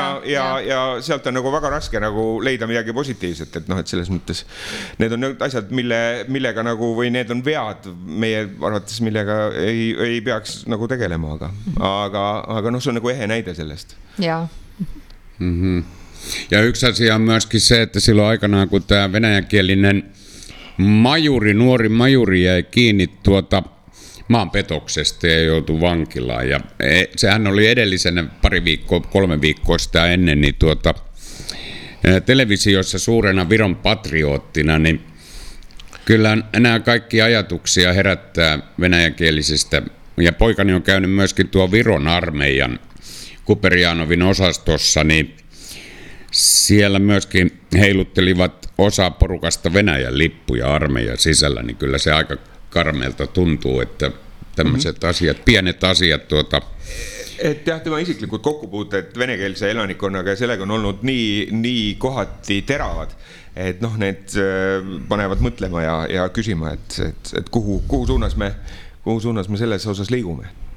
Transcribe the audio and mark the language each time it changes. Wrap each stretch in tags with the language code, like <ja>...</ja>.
<et>Ja sealt on nagu väga raske nagu leida midagi positiivset, et noh, et selles mõttes need on need asjad, millega nagu või need on vead meie arvates, millega ei peaks nagu tegelema, aga noh, see on nagu ehe näide sellest.</et> <fi>Ja üks asia on myöskin se, että silloin aikanaan, kun tämä venäjänkielinen nuori majuri jäi kiinni maanpetoksesta ja joutui vankilaan. Ja sehän oli edellisenä pari viikkoa, kolme viikkoa sitä ennen, niin televisiossa suurena Viron patriottina, niin kyllä nämä kaikki ajatuksia herättää venäjänkielisistä. Ja poikani on käynyt myöskin tuo Viron armeijan Kuperjanovin osastossa, niin siellä myöskin heiluttelivat osa porukasta Venäjän lippuja armeijan sisällä, niin kyllä se aika karmeelta tuntuu, että tämmöiset asiat, pienet asiat tuota.</fi> <et>Et jah, tema isiklikud kokkupuuted venekeelse elanikkonnaga ja sellega on olnud nii kohati teravad, et noh, need panevad mõtlema ja küsima, et kuhu suunas me selles osas liigume.</et>